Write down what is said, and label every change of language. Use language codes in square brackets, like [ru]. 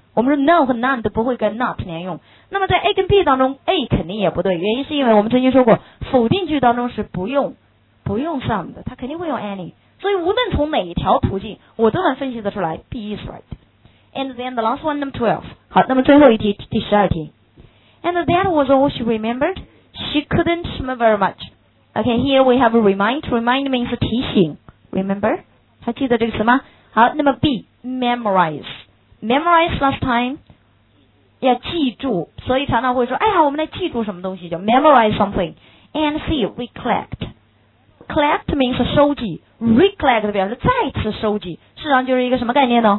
[zh] 我们说 no 和 none 都不会跟 not 连用。那么在 A 跟 B 当中 A 肯定也不对，原因是因为我们曾经说过否定句当中是不用 some 的，它肯定会用 any。所以无论从哪一条途径我都能分析得出来 [en] B is right。 And then the last one, number 12。 [zh] 好，那么最后一题，第十二题。 [en] And that was all she remembered. She couldn't remember much. Okay, here we have a remind. Remind means 提醒。 [zh] Remember? 还记得这个词吗？好，那么 B, memorizeMemorize last time 要记住，所以常常会说哎呀我们来记住什么东西，叫 memorize something。 [en] And C, recollect. Collect means [zh] 收集， recollect 表示再次收集，实际上就是一个什么概念呢？